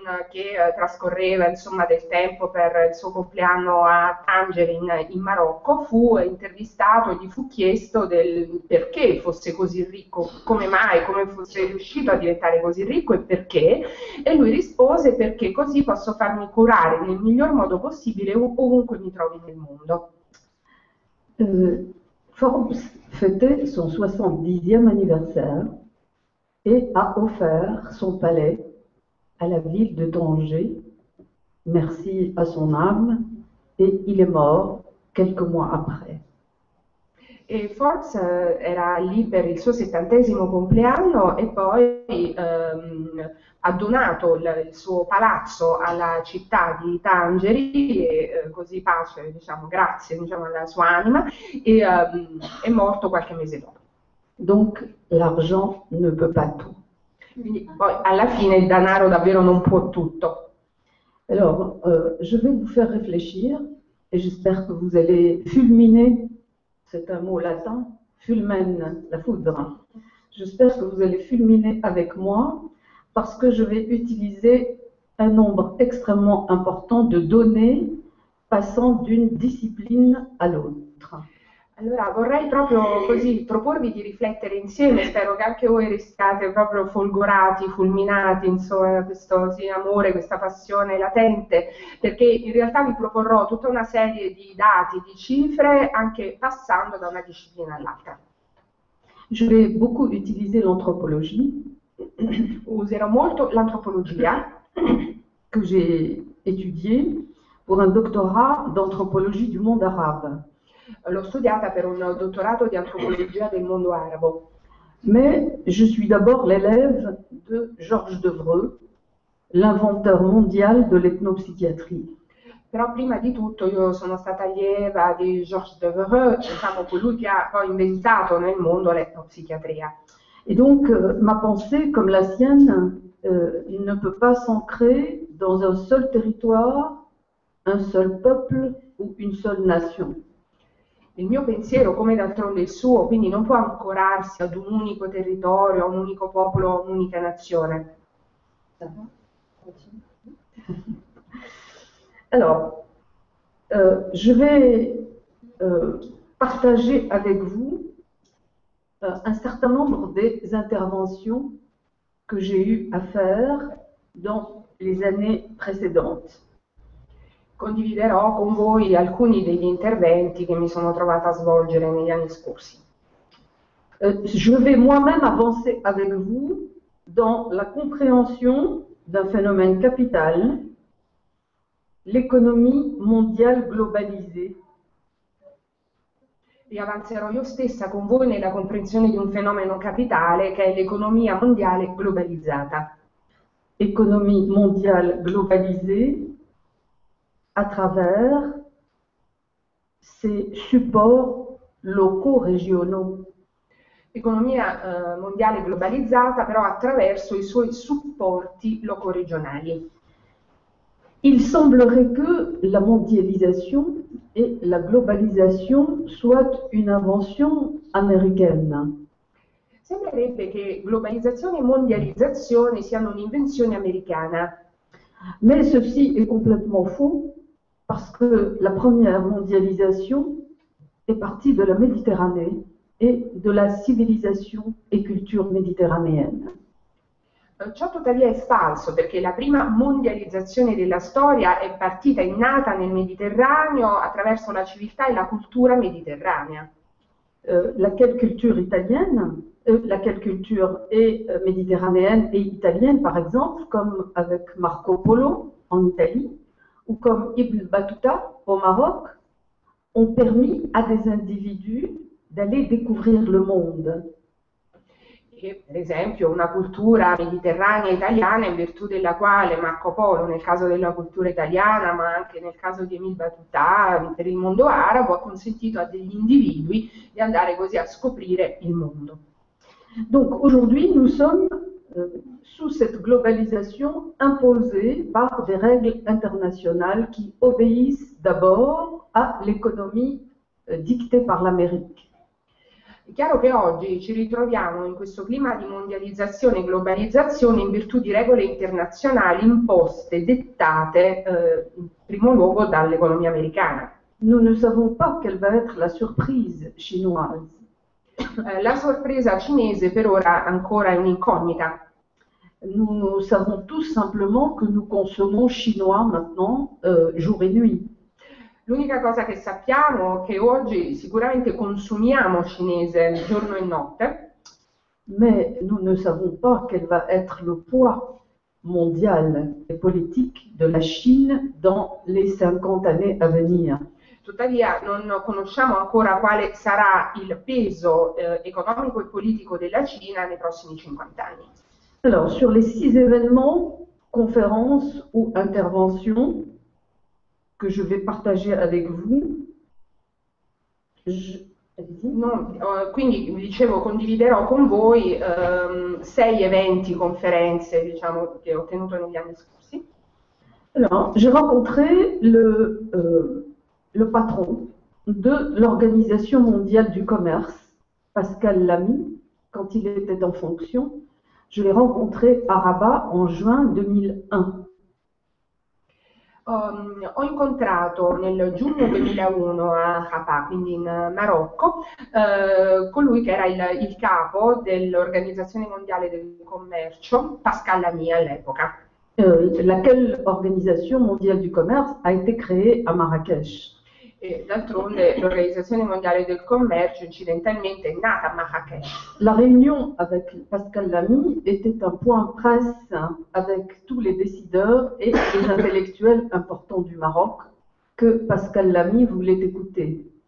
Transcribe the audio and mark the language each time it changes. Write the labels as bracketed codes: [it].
[it] che trascorreva insomma del tempo per il suo compleanno a Tangier in Marocco, fu intervistato e gli fu chiesto del perché fosse così ricco, come mai, come fosse riuscito a diventare così ricco e perché, e lui rispose perché. Così posso farmi curare nel miglior modo possibile ovunque mi trovi nel mondo. [fr] Forbes fêtait son 70e anniversaire et a offert son palais à la ville de Tanger, merci à son âme, et il est mort quelques mois après. [it] E Forbes era lì per il suo 70° compleanno e poi ha donato il suo palazzo alla città di Tangeri, e, così pace, diciamo, grazie, diciamo, alla sua anima, e è morto qualche mese dopo. [fr] Donc, l'argent ne peut pas tout. [it] Quindi poi alla fine il denaro davvero non può tutto. [fr] Alors, je vais vous faire réfléchir et j'espère que vous allez fulminer, c'est un mot latin, fulmen, la foudre. J'espère que vous allez fulminer avec moi parce que je vais utiliser un nombre extrêmement important de données passant d'une discipline à l'autre. [it] Allora, vorrei proprio così propormi di riflettere insieme, spero che anche voi restiate proprio folgorati, fulminati, insomma, da questo sì, amore, questa passione latente, perché in realtà vi proporrò tutta una serie di dati, di cifre, anche passando da una disciplina all'altra. [fr] Je vais beaucoup utiliser l'anthropologie [it] Userò molto l'antropologia. [fr] que j'ai étudiée pour un doctorat d'anthropologie du monde arabe. [it] L'ho studiata per un dottorato di antropologia del mondo arabo. [fr] Mais je suis d'abord l'élève de Georges Devreux, l'inventeur mondial de l'ethnopsychiatrie. [it] Però prima di tutto io sono stata allieva di Georges Devreux, diciamo colui che ha poi inventato nel mondo l'etnopsichiatria. [fr] Et donc, ma pensée, comme la sienne, ne peut pas s'ancrer dans un seul territoire, un seul peuple ou une seule nation. [it] Il mio pensiero, come d'altronde il suo, quindi non può ancorarsi ad un unico territorio, a un unico popolo, a un'unica nazione. [fr] Alors, je vais partager avec vous un certain nombre des interventions que j'ai eu à faire dans les années précédentes. [it] Condividerò con voi alcuni degli interventi che mi sono trovata a svolgere negli anni scorsi. [fr] Je vais moi-même avancer avec vous dans la compréhension d'un phénomène capital, l'economia mondiale globalisée. [it] Avanzerò io stessa con voi nella comprensione di un fenomeno capitale che è l'economia mondiale globalizzata. [fr] Économie mondiale globalisée à travers ses supports locaux régionaux. [it] Economia mondiale globalizzata, però attraverso i suoi supporti loco-regionali. [fr] Il semblerait que la mondialisation et la globalisation soient une invention américaine. [it] Sembrerebbe che globalizzazione e mondializzazione siano un'invenzione americana. [fr] Mais ceci est complètement faux parce que la première mondialisation est partie de la Méditerranée et de la civilisation et culture méditerranéenne. [it] Ciò tuttavia è falso perché la prima mondializzazione della storia è partita, è nata nel Mediterraneo attraverso la civiltà e la cultura mediterranea. [fr] Laquelle culture italienne? Laquelle culture est méditerranéenne et italienne, par exemple, comme avec Marco Polo en Italie, ou comme Ibn Battuta au Maroc, ont permis à des individus d'aller découvrir le monde. [it] Che, per esempio, una cultura mediterranea italiana in virtù della quale Marco Polo, nel caso della cultura italiana, ma anche nel caso di Emil Battuta, per il mondo arabo, ha consentito a degli individui di andare così a scoprire il mondo. [fr] Donc aujourd'hui, nous sommes sous cette globalisation imposée par des règles internationales qui obéissent d'abord à l'économie dictée par l'Amérique. [it] È chiaro che oggi ci ritroviamo in questo clima di mondializzazione e globalizzazione in virtù di regole internazionali imposte, dettate, in primo luogo dall'economia americana. [fr] Nous ne savons pas quelle va être la surprise chinoise. [it] La sorpresa cinese per ora ancora è un'incognita. [fr] Nous savons tout simplement que nous consommons chinois maintenant, jour et nuit. [it] L'unica cosa che sappiamo è che oggi sicuramente consumiamo cinese giorno e notte. [fr] Mais nous ne savons pas quel va être le poids mondial des politiques de la Chine dans les 50 années à venir. [it] Tuttavia, non conosciamo ancora quale sarà il peso economico e politico della Cina nei prossimi 50 anni. [fr] Alors, sur les 6 événements, conférences ou interventions que je vais partager avec vous, [it] No, quindi dicevo, condividerò con voi sei eventi, conferenze, diciamo, che ho tenuto negli anni scorsi. [fr] Alors, j'ai rencontré le patron de l'Organisation mondiale du commerce, Pascal Lamy, quand il était en fonction. Je l'ai rencontré à Rabat en juin 2001. [it] Ho incontrato nel giugno 2001 a Rabat, quindi in Marocco, colui che era il capo dell'Organizzazione Mondiale del Commercio, Pascal Lamy all'epoca. [fr] Laquelle organisation mondiale du commerce a été créée à Marrakech? [it] D'altronde l'Organizzazione Mondiale del Commercio incidentalmente è nata a Marrakech. [fr] La réunion avec Pascal Lamy était un point presse avec tous les décideurs et les intellectuels importants du Maroc que Pascal Lamy voulait écouter.